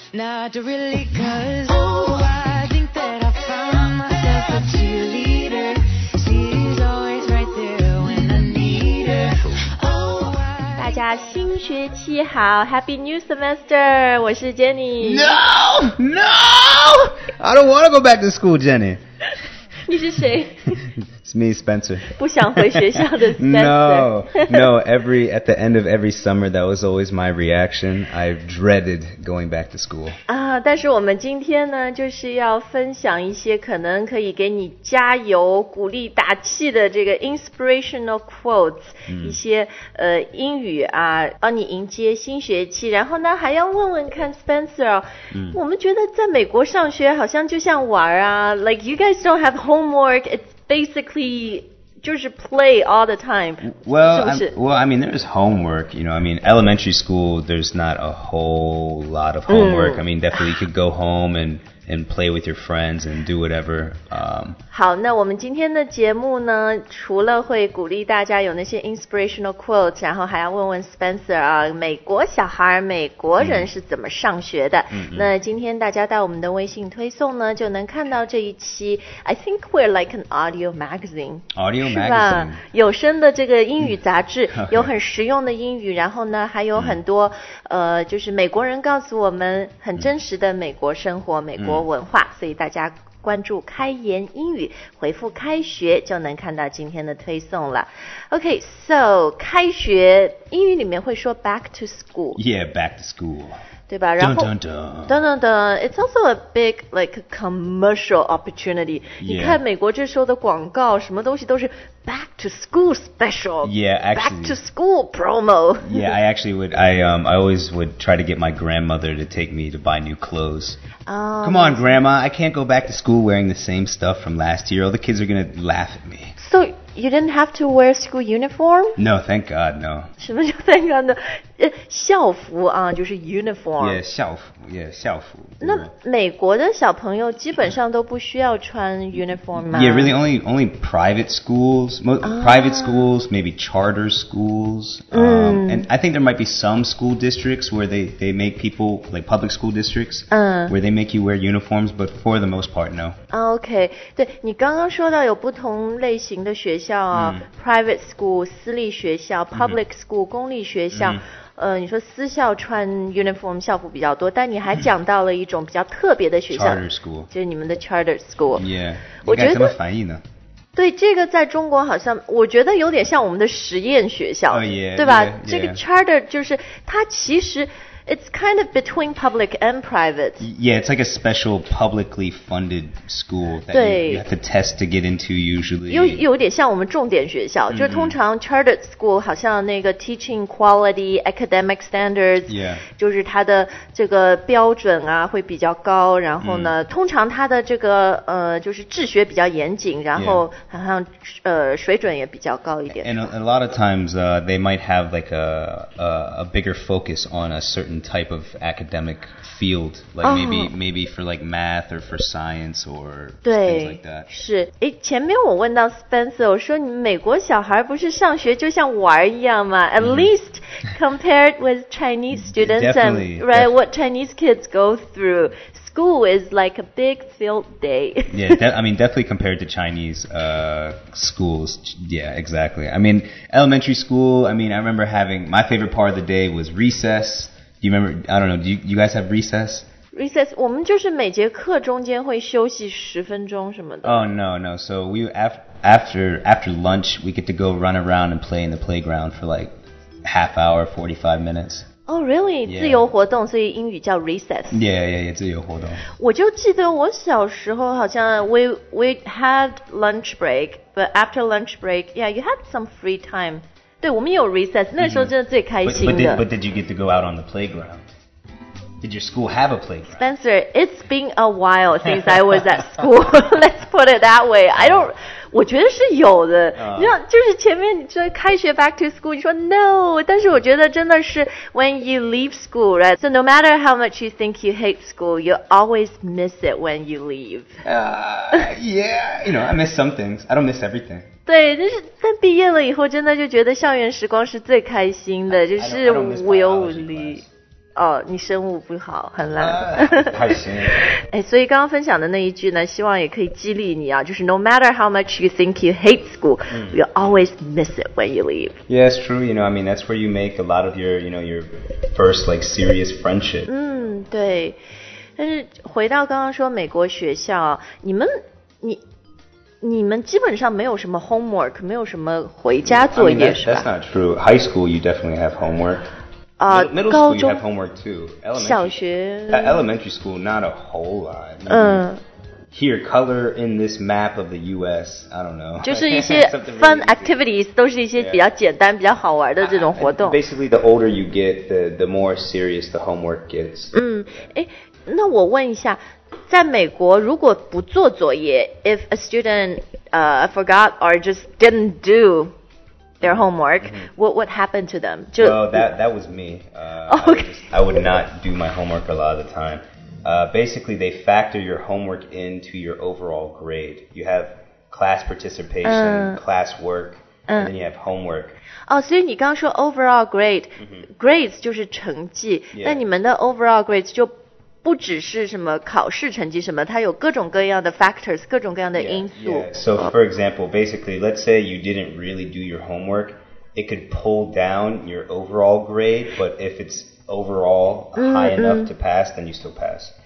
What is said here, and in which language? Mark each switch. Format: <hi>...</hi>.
<en>Not really, cause ooh, I think that I found myself a cheerleader. She's always right there when I need her.</en> <zh>Oh, 大家新学期好 ，</zh> <en>Happy New Semester！</en> <zh>我是 Jenny。</zh> <en>No, no! I don't want to go back to school, Jenny.</en> <zh>你是谁？</zh> <en>It's me, Spencer.</en> <zh>不想回学校的 Spencer.</zh> <en>No, at the end of every summer, that was always my reaction. I dreaded going back to school.</en> <zh>但是我们今天呢，就是要分享一些可能可以给你加油、鼓励、打气的这个 inspirational quotes,、mm. 一些英语啊，帮你迎接新学期。然后呢，还要问问看 Spencer,、mm. 我们觉得在美国上学好像就像玩啊 ，</zh> <en>like you guys don't have homework. Basically, just play all the time. Well, I mean, there's homework, you know. I mean, elementary school, there's not a whole lot of homework.、Mm. I mean, definitely you could go home and play with your friends and do whatever.</en> <zh>好，那我们今天的节目呢，除了会鼓励大家有那些 inspirational quotes， 然后还要问问 Spencer 啊，美国小孩、美国人是怎么上学的？ Mm-hmm. 那今天大家到我们的微信推送呢，就能看到这一期。</zh> <en>I think we're like an audio magazine. Audio magazine.</en> <zh>是吧？有声的这个英语杂志，有很实用的英语，然后呢，还有很多、mm-hmm. 就是美国人告诉我们很真实的美国生活、美国。国文化，所以大家关注开言英语，回复开学就能看到今天的推送了。</zh> <en>OK, so</en> <zh>开学英语里面会说</zh> <en>back to school. Yeah, back to school.</en> <zh>对吧，然后 dun, dun,</zh> <en>Dun, dun, dun. It's also a big like commercial opportunity、 yeah.</en> <zh>你看美国这时候的广告什么东西都是</zh> <en>back to school special. Yeah, actually, back to school promo. Yeah, I actually would I always would try to get my grandmother to take me to buy new clothes. Come on, grandma, I can't go back to school wearing the same stuff from last year. All the kids are gonna laugh at me. So you didn't have to wear school uniform? No, thank God, no.</en> <zh>什么叫 thank God 呢？校服啊，就是 uniform. Yeah, 校服 yeah, 校服。那美国的小朋友基本上都不需要穿 uniform 吗？</zh> <en>Yeah, really, only private schools, private schools, maybe charter schools. And I think there might be some school districts where they make people, like public school districts, where they make you wear uniforms, but for the most part, no.</en> <zh>Okay, 对，你刚刚说到有不同类型的学校啊、private school, 私立学校 public school, 公立学校。你说私校穿 uniform 校服比较多，但你还讲到了一种比较特别的学校</zh> <en>，charter school，</en> <zh>就是你们的 charter school。</zh> <en>Yeah，</en> <zh>我觉得怎么翻译呢？对，这个在中国好像我觉得有点像我们的实验学校，</zh> <en>oh, yeah,</en> <zh>对吧？</zh> <en>Yeah, yeah.</en> <zh>这个</zh> <en>charter</en> <zh>就是它其实</zh> <en>it's kind of between public and private。 Yeah， it's like a special publicly funded school that you have to test to get into usually。</en> <zh>有点像我们重点学校， mm-hmm. 就是通常 chartered school 好像那个</zh> <en>teaching quality academic standards， yeah，</en> <zh>就是它的这个标准啊会比较高，然后呢、mm. 通常它的这个就是治学比较严谨，然后好像、</zh> <en>yeah.</en> <zh>水准也比较高一点。</zh> <en>And a lot of times they might have like a bigger focus on a certain type of academic field, like maybe for like math or for science or things like that.</en> <zh>对，是。前面我问到 Spencer, 我说你美国小孩不是上学就像玩一样吗？</zh> <en>At least compared with Chinese students, what Chinese kids go through. School is like a big field day. definitely compared to Chinese schools. Yeah, exactly. I mean, elementary school, I mean, I remember having, my favorite part of the day was recess. Do you remember, I don't know, do you guys have recess?</en> <zh>Recess, 我们就是每节课中间会休息十分钟什么的。</zh> <en>Oh, no. So we, after lunch, we get to go run around and play in the playground for like half hour, 45 minutes. Oh, really? Yeah.</en> <zh>自由活动，所以英语叫 recess. Yeah, 自由活动。我就记得我小时候好像</zh> <en>we had lunch break, but after lunch break, yeah, you had some free time.</en> <zh>对，我们有 recess， 那时候真的最开心的。 Mm-hmm.</zh> <en>But did you get to go out on the playground? Did your school have a playground? Spencer, it's been a while since I was at school. Let's put it that way. I don't.</en> <zh>我觉得是有的。你像就是前面说开学</zh> <en>back to school，</en> <zh>你说</zh> <en>no，</en> <zh>但是我觉得真的是</zh> <en>when you leave school, right? So no matter how much you think you hate school, you always miss it when you leave. Yeah, you know, I miss some things. I don't miss everything.</en> <zh>对，就是但毕业了以后，真的就觉得校园时光是最开心的，就是无忧无虑。哦，你生物不好，很烂。太行了。哎，所以刚刚分享的那一句呢，希望也可以激励你啊，就是</zh> <en>No matter how much you think you hate school,、 mm. you'll always miss it when you leave. Yeah, it's true. You know, I mean, that's where you make a lot of your, you know, your first like serious friendship.</en> <zh>嗯，对。但是回到刚刚说美国学校，你们基本上没有什么 homework, 没有什么回家作业</zh> <en>I mean, that's not true. High school, you definitely have homework. Middle school, you have homework too. Elementary school, not a whole lot. I mean, Here, color in this map of the U.S., I don't know.</en> <zh>就是一些 fun activities, 都是一些比较简单、yeah. 比较好玩的这种活动。</zh> <en>Basically, the older you get, the more serious the homework gets.</en> <zh>嗯，诶，那我问一下，在美国如果不做作业</zh> <en>if a student forgot or just didn't do their homework,、</en> <zh>mm-hmm.</zh> <en>what happened to them? Well, that was me. I would not do my homework a lot of the time. Basically, they factor your homework into your overall grade. You have class participation,、class work,、and then you have homework.</en> <zh>哦，所以你刚说 overall grade,、 mm-hmm. grades 就是成绩。</zh> <en>Yeah.</en> <zh>那你们的 overall grades 就不只是什么考试成绩什么，它有各种各样的 factors, 各种各样的因素。</zh> <en>Yeah, yeah. So for example, basically, let's say you didn't really do your homework. It could pull down your overall grade, but if it'sOverall, high enough to pass, then you still pass.</en>